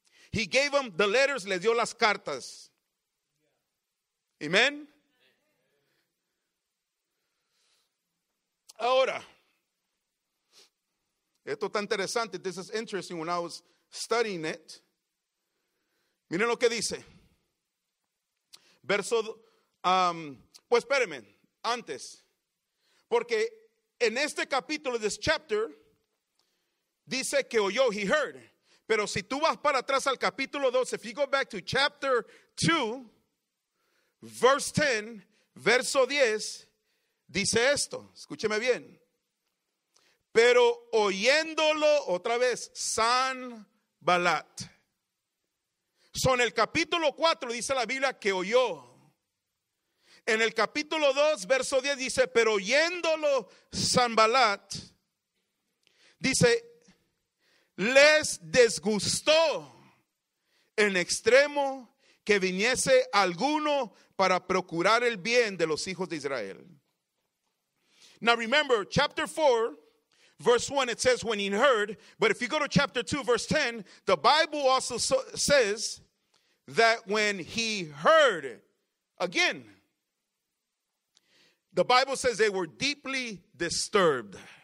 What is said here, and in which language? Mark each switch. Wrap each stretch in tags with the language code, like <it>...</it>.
<en>He gave him the letters,</en> <es>le dio las cartas.</es> <en>Amen.</en> <es>Ahora, esto está interesante,</es> <en>this is interesting when I was studying it.</en> <es>Miren lo que dice. Verso, pues espérenme, antes. Porque en este capítulo,</es> <en>this chapter,</en> <es>dice que oyó,</es> <en>he heard.</en> <es>Pero si tú vas para atrás al capítulo 2,</es> <en>if you go back to chapter 2, verse 10,</en> <es>verso 10, dice esto. Escúcheme bien. Pero oyéndolo, otra vez, Sanbalat. So en el capítulo 4 dice la Biblia que oyó. En el capítulo 2, verso 10, dice, pero oyéndolo Sanbalat, dice, les disgustó en extremo que viniese alguno para procurar el bien de los hijos de Israel.</es> <en>Now remember, chapter 4, verse 1, it says, when he heard, but if you go to chapter 2, verse 10, the Bible also says that when he heard, again, the Bible says they were deeply disturbed.</en>